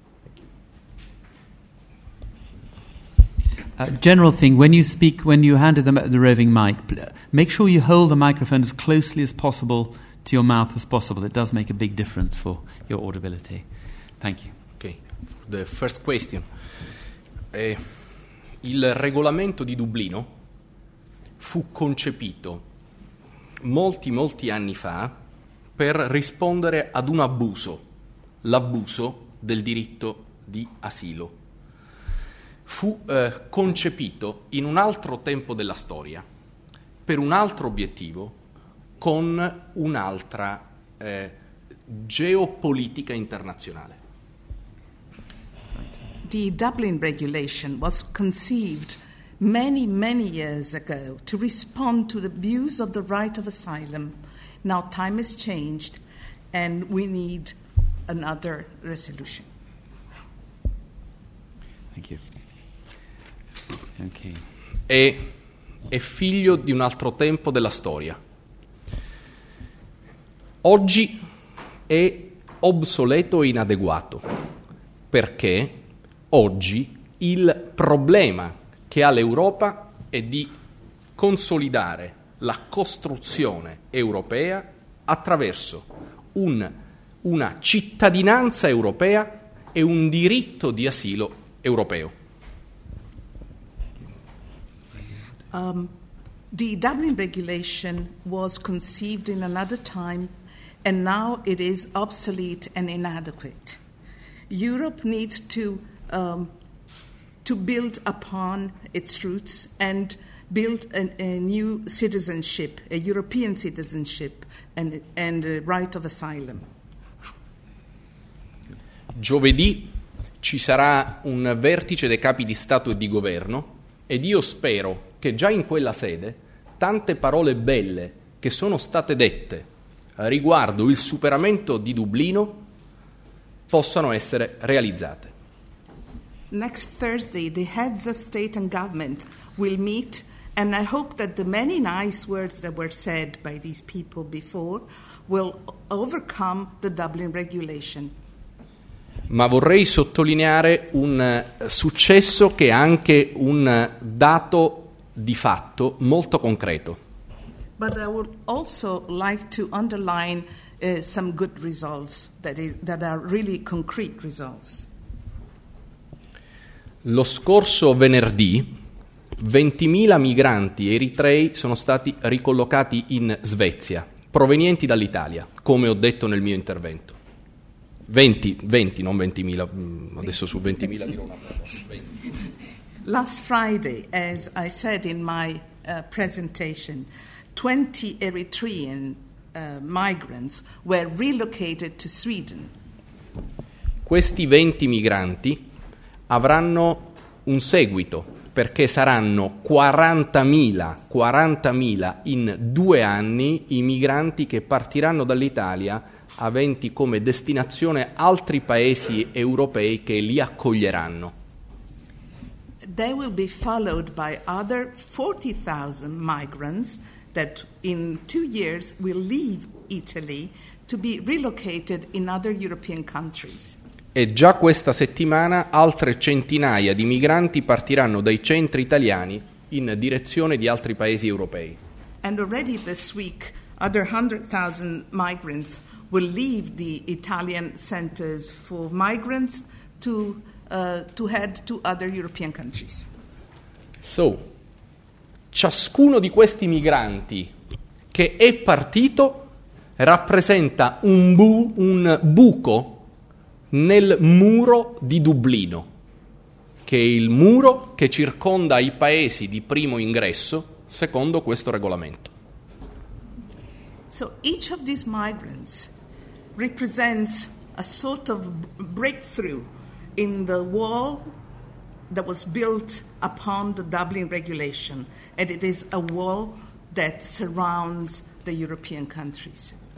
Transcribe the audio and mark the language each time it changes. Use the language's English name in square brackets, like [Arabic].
[English] Thank you. General thing, when you speak, when you handed them the roving mic, make sure you hold the microphone as closely as possible to your mouth as possible. It does make a big difference for your audibility. Thank you. Okay. The first question. [Italian] Il regolamento di Dublino fu concepito molti, molti anni fa per rispondere ad un abuso, l'abuso del diritto di asilo. Fu concepito in un altro tempo della storia, per un altro obiettivo, con un'altra geopolitica internazionale. [English] The Dublin regulation was conceived many, many years ago to respond to the abuse of the right of asylum. Now time has changed and we need another resolution. Thank you. Okay. [Italian] È figlio di un altro tempo della storia. Oggi è obsoleto e inadeguato perché oggi il problema che ha l'Europa è di consolidare la costruzione europea attraverso una cittadinanza europea e un diritto di asilo europeo. [English] The Dublin regulation was conceived in another time and now it is obsolete and inadequate. Europe needs to build upon its roots and build a new citizenship, a European citizenship, and a right of asylum. [Italian] Giovedì ci sarà un vertice dei capi di Stato e di Governo ed io spero che già in quella sede tante parole belle che sono state dette riguardo il superamento di Dublino possano essere realizzate. [English] Next Thursday, the heads of state and government will meet, and I hope that the many nice words that were said by these people before will overcome the Dublin regulation. [Italian] Ma vorrei sottolineare un successo che è anche un dato di fatto molto concreto. [English] But I would also like to underline some good results that are really concrete results. [Italian] Lo scorso venerdì, 20.000 migranti eritrei sono stati ricollocati in Svezia, provenienti dall'Italia, come ho detto nel mio intervento. 20, non 20.000, adesso su 20.000 dirò una parola. [English] Last Friday, as I said in my presentation, 20 Eritrean migrants were relocated to Sweden. [Italian] Questi 20 migranti avranno un seguito perché saranno 40.000 in due anni i migranti che partiranno dall'Italia aventi come destinazione altri paesi europei che li accoglieranno. [English] They will be followed by other 40,000 migrants that in 2 years will leave Italy to be relocated in other European countries. [Italian] E già questa settimana altre centinaia di migranti partiranno dai centri italiani in direzione di altri paesi europei. [English] And already this week other 100,000 migrants will leave the Italian centers for migrants to head to other European countries. [Italian] So, ciascuno di questi migranti che è partito rappresenta un buco nel muro di Dublino, che è il muro che circonda i paesi di primo ingresso secondo questo regolamento. [English] So each of these migrants represents a sort of breakthrough in the wall that was built upon the Dublin regulation, and it is a wall that surrounds the European countries.